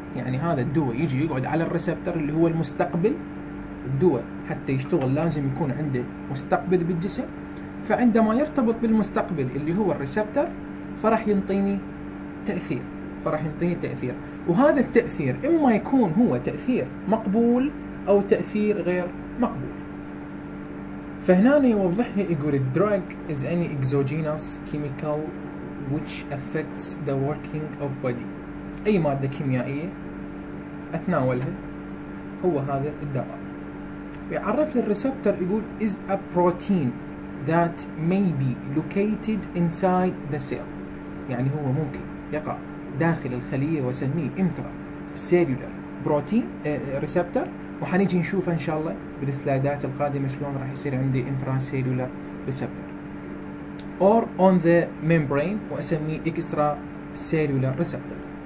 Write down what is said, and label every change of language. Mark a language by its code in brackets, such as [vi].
[ar] يعني هذا الدواء يجي يقعد على الريسبتر اللي هو المستقبل، الدواء حتى يشتغل لازم يكون عنده مستقبل بالجسم، فعندما يرتبط بالمستقبل اللي هو الريسبتر فرح ينطيني تأثير، وهذا التأثير إما يكون هو تأثير مقبول أو تأثير غير مقبول. فهنا يوضح لي يقول الدراج [en] is any exogenous chemical which affects the working of body، [ar] اي ماده كيميائيه اتناولها هو هذا الدواء. يعرف للريسبتر يقول [en] is a protein that may be located inside the cell، [ar] يعني هو ممكن يقع داخل الخلية وسميه امتراك سيلولر بروتين ريسبتر، وحنيجي نشوف ان شاء الله بالسلايدات القادمة شلون راح يصير عندي امتراك سيلولر ريسبتر [en] or on the membrane [ar] واسميه [en] extra cellular receptor.